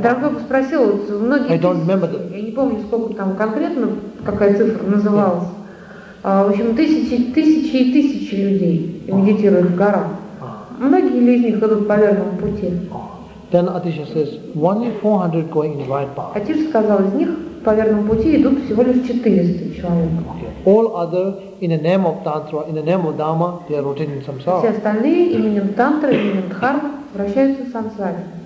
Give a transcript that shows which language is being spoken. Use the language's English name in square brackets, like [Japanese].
[Russian] Дорогой спросил, многие. [English] I don't remember that. [Russian] Я не помню, сколько там конкретно, какая цифра называлась. [English] Yeah. [Russian] В общем, тысячи и тысячи людей медитируют в горах. Многие ли из них идут по верному пути? [English] Then Atisha says, only 400 going in the right path. [Russian] Atisha сказал, из них по верному пути идут всего лишь 400 человек. [English] All other in the name of Tantra, in the name of Dharma, they are rotating in samsara. [Russian] Все остальные именем Тантра, именем Дхармы вращаются в самсаре.